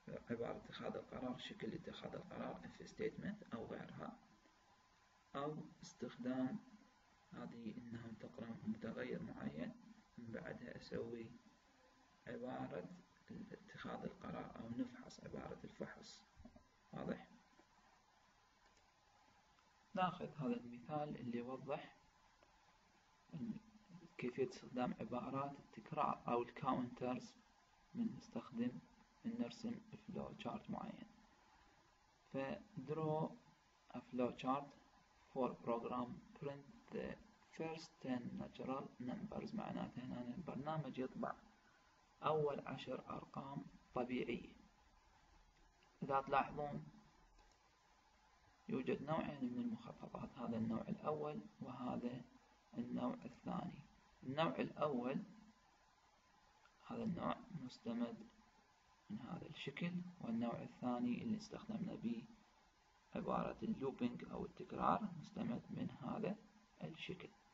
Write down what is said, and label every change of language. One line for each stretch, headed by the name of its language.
Arabic: عبارة اتخاذ القرار، شكل اتخاذ القرار if statement أو غيرها، أو استخدام هذه أنها تقرأ متغير معين من بعدها أسوي عبارة اتخاذ القرار أو نفحص عبارة الفحص، واضح؟ ناخذ هذا المثال اللي يوضح كيفية استخدام عبارات التكرار أو الكاونترز من نستخدم من نرسم فلو شارت معين.
English: ف draw a flow chart for program print the first 10 natural numbers،
Arabic: معناته هنا البرنامج يطبع أول 10 أرقام طبيعية. إذا تلاحظون يوجد نوعين من المخططات، هذا النوع الأول وهذا النوع الثاني. النوع الأول هذا النوع مستمد من هذا الشكل، والنوع الثاني اللي استخدمنا به عبارة اللوبينج أو التكرار مستمد من هذا الشكل.